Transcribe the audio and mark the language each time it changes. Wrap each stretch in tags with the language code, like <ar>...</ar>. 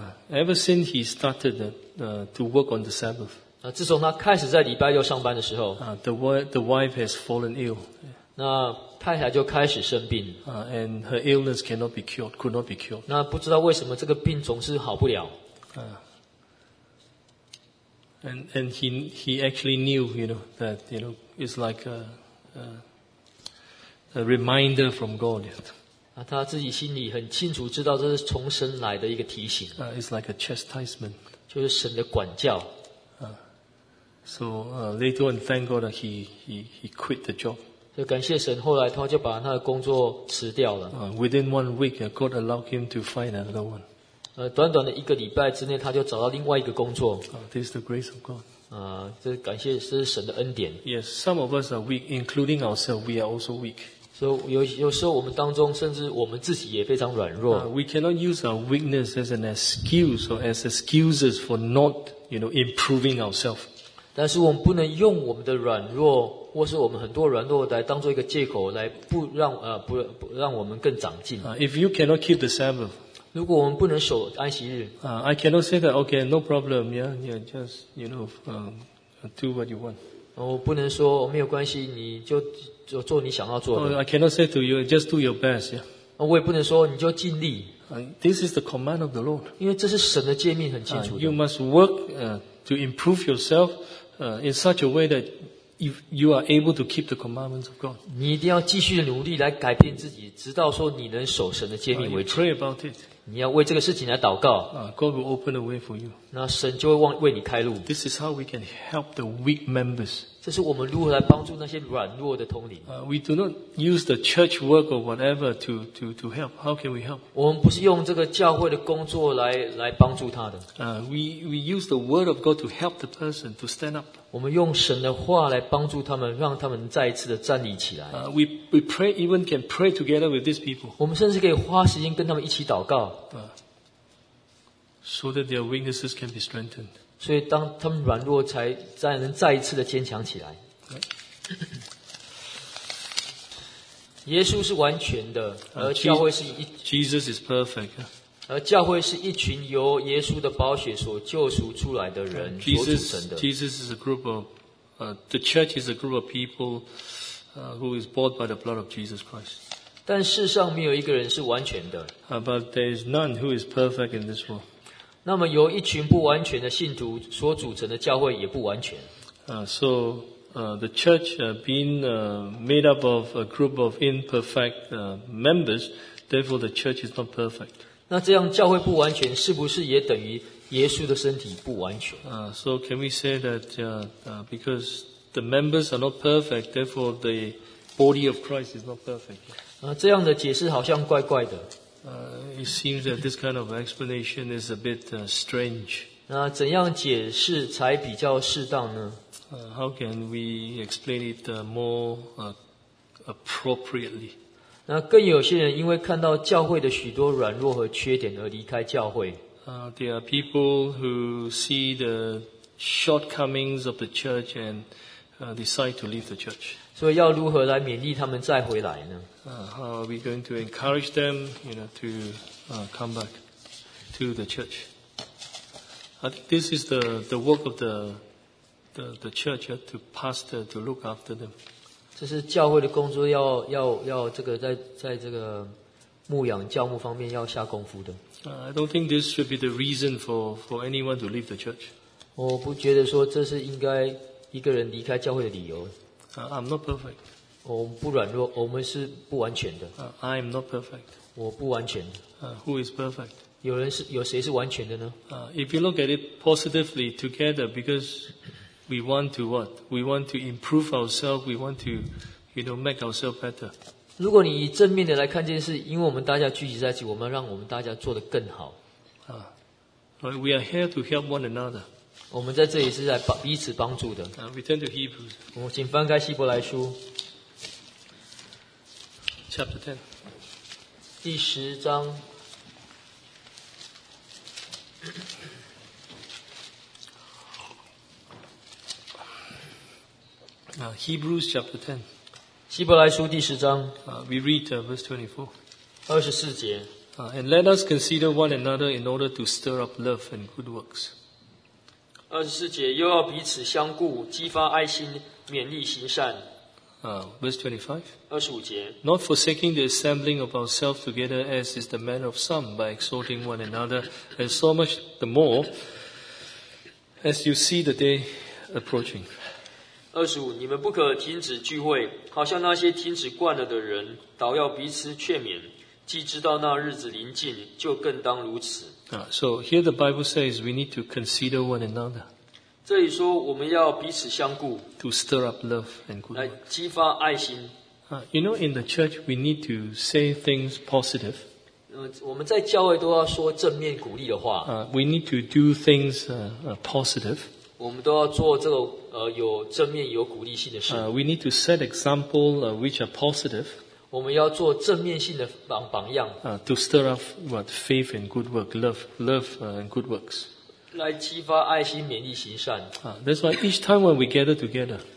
<en>Ever since he started to work on the Sabbath,</en> <zh>自从他开始在礼拜六上班的时候</zh> <en>the wife has fallen ill.</en> <zh>那太太就开始生病。</zh> <en>And her illness cannot be cured, could not be cured.</en> <zh>那不知道为什么这个病总是好不了。</zh> <en>And he actually knew, you know, that, you know, it's like a reminder from God.</en> <zh>他自己心里很清楚知道这是从神来的一个提醒。</zh> <en>It's like a chastisement.</en> <zh>就是神的管教。</zh> <en>So later on, thank God that he quit the job.</en> <zh>就感谢神，后来他就把他的工作辞掉了。</zh> <en>Within 1 week, God allowed him to find another one.</en> <zh>短短的一个礼拜之内，他就找到另外一个工作。</zh> <en>This is the grace of God.</en> <zh>这感谢这是神的恩典。</zh> <en>Yes, some of us are weak, including ourselves. We are also weak.</en> <zh>So 有时候我们当中，甚至我们自己也非常软弱。</zh> <en>We cannot use our weakness as an excuse or as excuses for not, you know, improving ourselves.</en> <zh>但是我们不能用我们的软弱或是我们很多软弱来当做一个借口来不让我们更长进。</zh> <en>If you cannot keep the Sabbath,</en> <zh>如果我们不能守安息日。</zh> <en>I cannot say that, okay, no problem, yeah, yeah, just, you know, do what you want.</en> <zh>我不能说没有关系你就做你想要做的。</zh> <en>I cannot say to you, just do your best, yeah.</en> <zh>我也不能说你就尽力。</zh> <en>This is the command of the Lord.</en> <zh>因为这是神的诫命很清楚的。</zh> <en>You must work, to improve yourself, in such a way that you are able to keep the commandments of God.</en> <zh>你一定要继续努力来改变自己，直到说你能守神的诫命为止。</zh> <en>Pray about it.</en> <zh>你要为这个事情来祷告。</zh> <en>God will open a way for you.</en> <zh>那神就会为你开路。</zh> <en>This is how we can help the weak members.</en> <zh>这是我们如何来帮助那些软弱的同龄。</zh> <en>We do not use the church work or whatever to help. How can we help?</en> <zh>我们不是用这个教会的工作来帮助他的。</zh> <en>We use the word of God to help the person to stand up.</en> <zh>我们用神的话来帮助他们，让他们再一次的站立起来。</zh> <en>We pray, even can pray together with these people.</en> <zh>我们甚至可以花时间跟他们一起祷告。</zh> <en>So that their weaknesses can be strengthened.</en> <zh>所以当他们软弱才能再一次的坚强起来。耶稣是完全的，而教会是一。</zh> <en>Jesus is perfect.</en> <zh>而教会是一群由耶稣的宝血所救赎出来的人所组成的。</zh> <en>Jesus is a group of, the church is a group of people, who is bought by the blood of Jesus Christ.</en> <zh>但世上没有一个人是完全的。</zh> <en>But there is none who is perfect in this world.</en> <zh>那么由一群不完全的信徒所组成的教会也不完全。</zh> <en>So the church being made up of a group of imperfect members, therefore the church is not perfect.</en> <zh>那这样教会不完全，是不是也等于耶稣的身体不完全？</zh> <en>So can we say that because the members are not perfect, therefore the body of Christ is not perfect?</en> <zh>这样的解释好像怪怪的。</zh> <en>It seems that this kind of explanation is a bit strange.</en> <zh>那怎样解释才比较适当呢？</zh> <en>How can we explain it more appropriately?</en> <zh>那更有些人因为看到教会的许多软弱和缺点而离开教会。</zh> <en>There are people who see the shortcomings of the church and decide to leave the church.</en> <zh>所以要如何来勉励他们再回来呢？</zh> <en>How are we going to encourage them, you know, to come back to the church? I think this is the work of the church, to pastor, to look after them.</en> <zh>这是教会的工作，要这个在这个牧养教牧方面要下功夫的。</zh> <en>I don't think this should be the reason for anyone to leave the church.</en> <zh>我不觉得说这是应该一个人离开教会的理由。</zh> <en>I'm not perfect.</en> <zh>我不软弱，我们是不完全的。</zh> <en>I'm not perfect.</en> <zh>我不完全的。</zh> <en>Who is perfect?</en> <zh>有谁是完全的呢？</zh> <en>If you look at it positively together, because we want to what? We want to improve ourselves. We want to, you know, make ourselves better.</en> <zh>如果你以正面的来看这件事，因为我们大家聚集在一起，我们要让我们大家做得更好。</zh> <en>We are here to help one another.</en> <zh>我们在这里是在彼此帮助的。</zh> <en>Return to Hebrews.</en> <zh>我们请翻开希伯来书</zh> <en>，Chapter Ten，</en> <zh>第十章。</zh> <en>Hebrews chapter 10.</en> <zh>希伯来书第十章。</zh> <en>We read verse 24.</en> <zh>二十四节。</zh> <en>And let us consider one another in order to stir up love and good works.</en> <zh>二十四节，又要彼此相顾，激发爱心，勉励行善。</zh> <en>Verse 25.</en> <zh>二十五节。</zh> <en>Not forsaking the assembling of ourselves together as is the manner of some, by exhorting one another, and so much the more as you see the day approaching.</en> <zh>二十五，你们不可停止聚会，好像那些停止惯了的人，倒要彼此劝勉。既知道那日子临近，就更当如此。</zh> <en>So here the Bible says we need to consider one another.</en> <zh>这里说我们要彼此相顾。</zh> <en>To stir up love and good.</en> <zh>来激发爱心。</zh> <en>You know, in the church, we need to say things positive.</en> <zh>我们在教会都要说正面鼓励的话。</zh> <en>We need to do things positive.</en> <zh>我们都要做这个。有正面有鼓励性的事。</zh> <en>We need to set example which are positive.</en> <zh>我们要做正面性的榜样。</zh> <en>To stir up what faith and good work, love and good works.</en> <zh>来激发爱心，勉励行善。</zh> <en>That's why each time when we gather together.</en>